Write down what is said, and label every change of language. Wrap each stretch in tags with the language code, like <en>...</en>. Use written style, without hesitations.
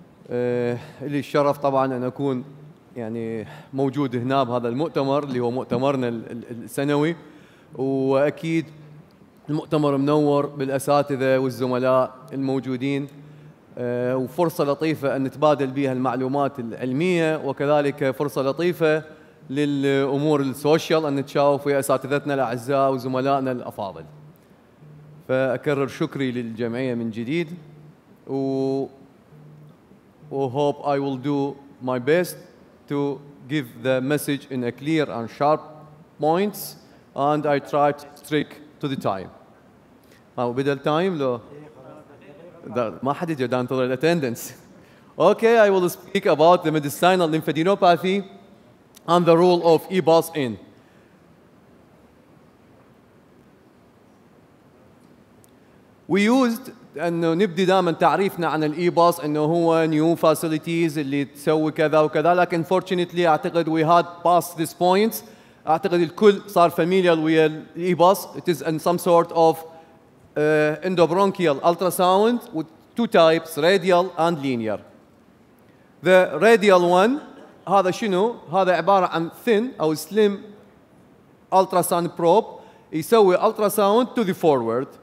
<ar>لي الشرف طبعا ان اكون يعني موجود هنا بهذا المؤتمر اللي هو مؤتمرنا السنوي، واكيد المؤتمر منور بالاساتذه والزملاء الموجودين، وفرصه لطيفه ان نتبادل بها المعلومات العلميه، وكذلك فرصه لطيفه للامور السوشيال ان نتشاوف ويا اساتذتنا الاعزاء وزملائنا الافاضل. فأكرر شكري للجمعية من جديد، و</ar> <en>hope I will do my best to give the message in a clear and sharp points, and I try to stick to the time.</en> <ar>أو بدل time لو ما حد يجي دان تظهر attendance.</ar> <en>Okay, I will speak about the medicinal lymphadenopathy and the role of EBOS in. We used</en> <ar>أنه نبدي دائما تعريفنا عن الإي باص أنه هو new facilities اللي تسوي كذا وكذا، لكن unfortunately أعتقد</ar> <en>we had passed this point.</en> <ar>أعتقد الكل صار familiar with الإي باص.</ar> <en>It is in some sort of endobronchial ultrasound with two types, radial and linear. The radial one</en> <ar>هذا شنو؟ هذا عبارة عن</ar> <en>thin أو slim ultrasound probe يسوي ultrasound to the forward.</en>